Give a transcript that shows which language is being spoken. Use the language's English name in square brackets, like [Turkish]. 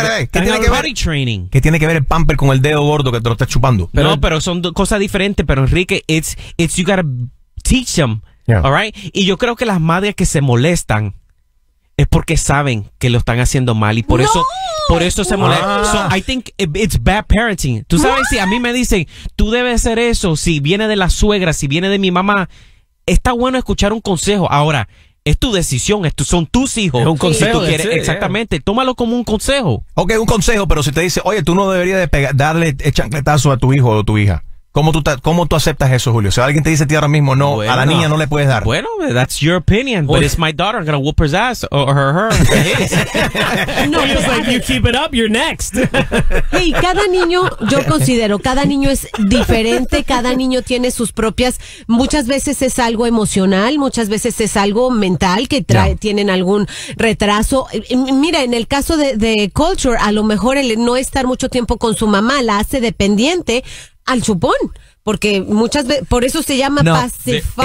[Spanish] ¿Qué tiene que ver el pamper con el dedo gordo que te lo está chupando? Pero, no, pero son cosas diferentes. [English] Pero Enrique, it's you gotta teach them, yeah. All right? [Spanish] Y yo creo que las madres que se molestan es porque saben que lo están haciendo mal y por eso se molesta. Ah. [English] So I think it's bad parenting. [Spanish] Tú sabes, si a mí me dicen, tú debes hacer eso, si viene de la suegra, si viene de mi mamá, está bueno escuchar un consejo. Ahora, es tu decisión, son tus hijos. Es un consejo. Si tú quieres, sí, exactamente, yeah. Tómalo como un consejo. Ok, un consejo, pero si te dice, oye, tú no deberías darle el chancletazo a tu hijo o tu hija. ¿Cómo tú aceptas eso, Julio? Si alguien te dice a ti ahora mismo, no, bueno, a la niña no le puedes dar. [English] Bueno, that's your opinion, but it's my daughter, I'm gonna whoop his ass, or her. No, he's like, you keep it up, you're next. [Spanish] Hey, cada niño, yo considero, cada niño es diferente, cada niño tiene sus propias, muchas veces es algo emocional, muchas veces es algo mental, que trae, yeah, tienen algún retraso. Mira, en el caso de Culture, a lo mejor el no estar mucho tiempo con su mamá la hace dependiente al chupón, porque muchas veces, por eso se llama pacifier.